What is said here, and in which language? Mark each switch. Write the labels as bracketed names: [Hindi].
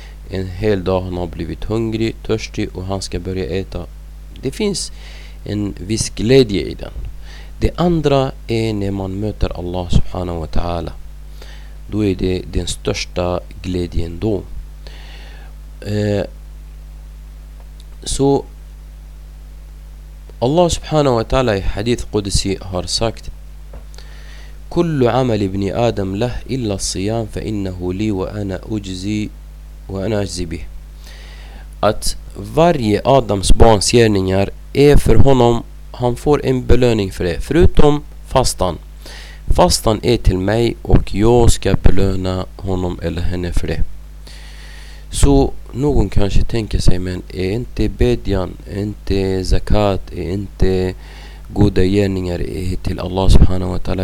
[Swedish] En hel dag han har blivit hungrig, törstig och han ska börja äta. Det finns en viss glädje i den. Det andra är när man möter Allah subhanahu wa ta'ala. Då är det den största glädjen då. Så Allah subhanahu wa ta'ala i hadith Qudsi har sagt: [Arabic] كل عمل ابن آدم له إلا الصيام فإنه لي وأنا أجزي وأنا أجزي به. [Swedish] Att varje Adams barns gärningar är för honom, han får en belöning för det, förutom fastan. Fastan är till mig och jag ska belöna honom eller henne för det. Så någon kanske tänker sig, men är inte bedjan, är inte zakat, är inte goda gärningar till Allah subhanahu wa ta'ala?